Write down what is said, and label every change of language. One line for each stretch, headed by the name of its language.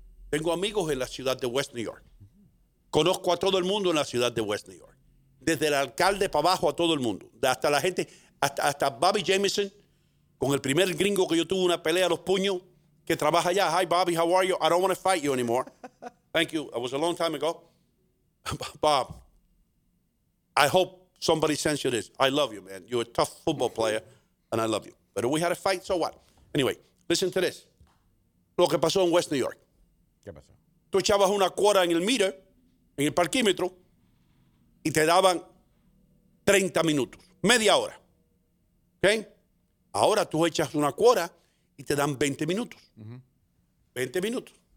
Spanish: Tengo amigos en la ciudad de West New York. Conozco a todo el mundo en la ciudad de West New York. Desde el alcalde para abajo a todo el mundo. Hasta la gente, hasta Bobby Jameson, con el primer gringo que yo tuve una pelea a los puños, que trabaja allá.
English: Hi, Bobby, how are you? I don't want to fight you anymore. Thank you. It was a long time ago. Bob, I hope somebody sends you this. I love you, man. You're a tough football player, and I love you. But if we had a fight, so what? Anyway, listen to this.
Spanish: Lo que pasó en West New York. ¿Qué pasó? Tú echabas una cuota en el meter, en el parquímetro, y te daban 30 minutos, media hora. ¿Ok? Ahora tú echas una cuota y te dan 20 minutos. Uh-huh. 20 minutos.